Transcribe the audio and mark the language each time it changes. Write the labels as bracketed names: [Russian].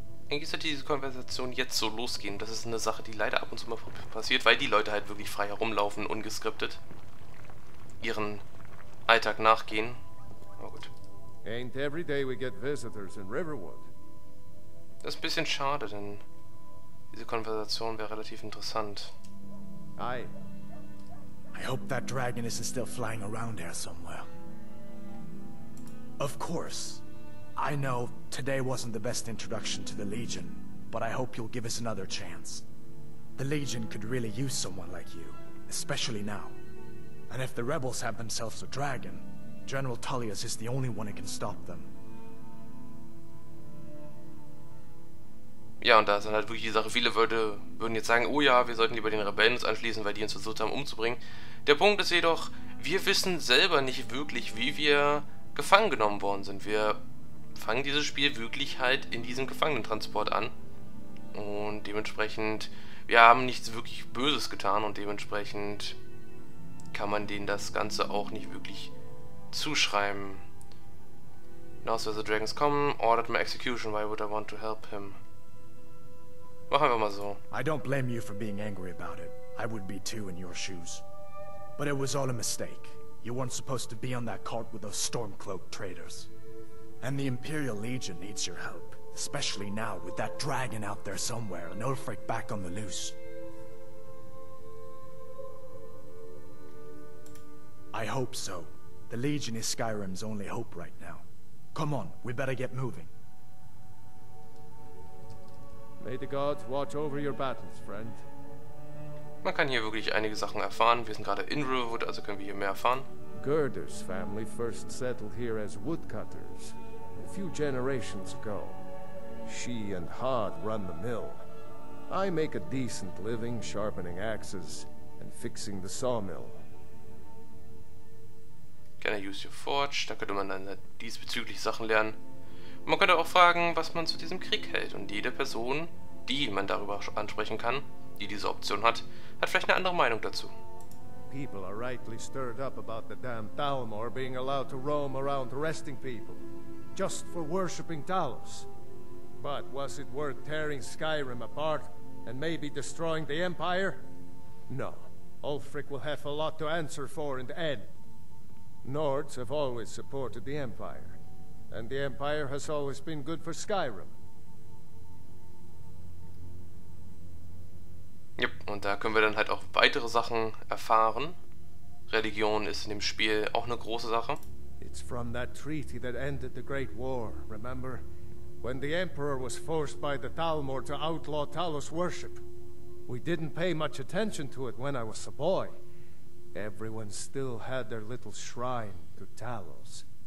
[German] Eigentlich sollte diese Konversation jetzt so losgehen. Das ist eine Sache, die leider ab und zu mal passiert, weil die Leute halt wirklich frei herumlaufen, ungeskriptet. Ihren Alltag nachgehen. Oh gut. [English] Ain't every day we get visitors in Riverwood. [German] Das ist ein bisschen schade, denn diese Konversation wäre relativ interessant. [English] Hi. I hope that dragon isn't still flying around there somewhere. Of course. I know today wasn't the best introduction to the Legion, but I hope you'll give us another chance. The Legion could really use someone like you, especially now. And if the rebels have themselves a dragon, General Tullius is the only one who can stop them. [German] Ja, und da ist dann halt wirklich die Sache, viele würden jetzt sagen, oh ja, wir sollten lieber den Rebellen uns anschließen, weil die uns versucht haben umzubringen. Der Punkt ist jedoch, wir wissen selber nicht wirklich, wie wir gefangen genommen worden sind. Wir fangen dieses Spiel wirklich halt in diesem Gefangenentransport an. Und dementsprechend, wir haben nichts wirklich Böses getan und dementsprechend kann man denen das Ganze auch nicht wirklich zuschreiben. [English] Now so the dragons come, ordered my execution, why would I want to help him? [German] Machen wir mal so. [English] I don't blame you for being angry about it. I would be too in your shoes. But it was all a mistake. You weren't supposed to be on that cart with those Stormcloak traitors. And the Imperial Legion needs your help, especially now with that dragon out there somewhere and Ulfric back on the loose. I hope so. The Legion is Skyrim's only hope right now. Come on, we better get moving. May the gods watch over your battles, friend. [German] Man kann hier wirklich einige Sachen erfahren. Wir sind gerade in Riverwood, also können wir hier mehr erfahren. [English] Gerdr's family first settled here as woodcutters a few generations ago. She and Hod run the mill. I make a decent living sharpening axes and fixing the sawmill. Can I use your forge? [German] Da könnte man dann diesbezüglich Sachen lernen. Man könnte auch fragen, was man zu diesem Krieg hält. Und jede Person, die man darüber ansprechen kann, die diese Option hat, hat vielleicht eine andere Meinung dazu. [English] People are rightly stirred up about the damn Dalmor being allowed to roam around arresting people. Just for worshipping Talos. But was it worth tearing Skyrim apart and maybe destroying the Empire? No. Ulfric will have a lot to answer for in the end. Nords have always supported the Empire, and the Empire has always been good for Skyrim. [German] Yep, und da können wir dann halt auch weitere Sachen erfahren. Religion ist in dem Spiel auch eine große Sache. [English] It's from that treaty that ended the Great War, remember? When the Emperor was forced by the Talmor to outlaw Talos worship. We didn't pay much attention to it when I was a boy. Everyone still had their little shrine to Talos.